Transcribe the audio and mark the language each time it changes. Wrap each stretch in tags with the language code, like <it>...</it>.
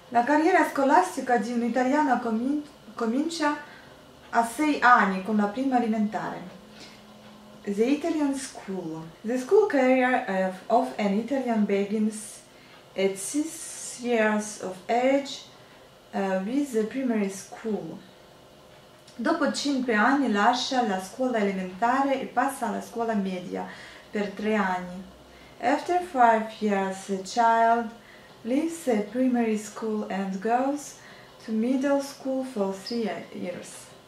<it>La carriera scolastica di un italiano comincia a 6 anni con la prima elementare.</it> <en>The Italian school. The school career of an Italian begins at 6 years of age with the primary school.</en> <it>Dopo 5 anni lascia la scuola elementare e passa alla scuola media per 3 anni.</it> <en>After 5 years, the child leaves the primary school and goes to middle school for 3 years.</en>